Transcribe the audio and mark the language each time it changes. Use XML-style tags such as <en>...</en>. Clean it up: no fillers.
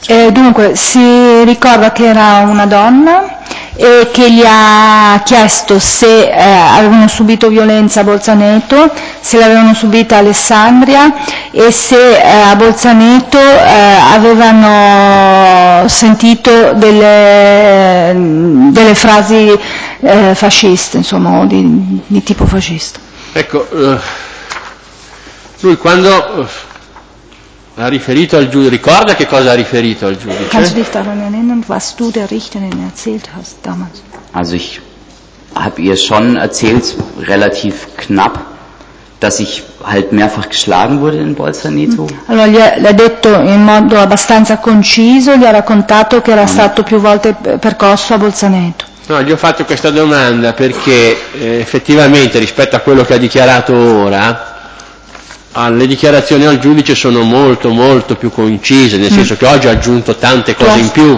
<it>Dunque, si ricorda che era una donna e che gli ha chiesto se avevano subito violenza a Bolzaneto, se l'avevano subita a Alessandria e se a Bolzaneto avevano sentito delle frasi fasciste, insomma, di tipo fascista. Ecco, lui quando ha riferito al giudice, ricorda che cosa ha riferito al giudice?</it> <de>Kannst du dich daran erinnern, was du der Richterin erzählt hast damals? Also ich habe ihr schon erzählt, relativ knapp, dass ich halt mehrfach geschlagen wurde in Bolzaneto.</de> <it>Allora, le ha detto in modo abbastanza conciso, gli ha raccontato che era stato più volte percosso a Bolzaneto. No, gli ho fatto questa domanda perché effettivamente rispetto a quello che ha dichiarato ora, le dichiarazioni al giudice sono molto molto più concise, nel senso che oggi ha aggiunto tante cose in più.</it>